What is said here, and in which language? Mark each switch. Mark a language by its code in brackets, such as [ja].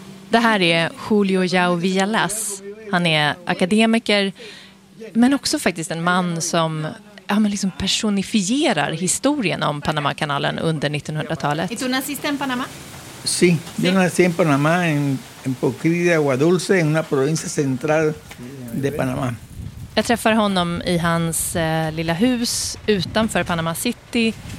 [sv] Det här är Julio Yao Villalas. Han är akademiker, men också faktiskt en man som personifierar historien om Panamakanalen under 1900-talet. Är du nacist i Panama? [es] Sí, yo nací en Panamá, en Pocri de Agua Dulce, en una provincia central de Panamá. [sv] Jag träffar honom i hans lilla hus utanför Panama City.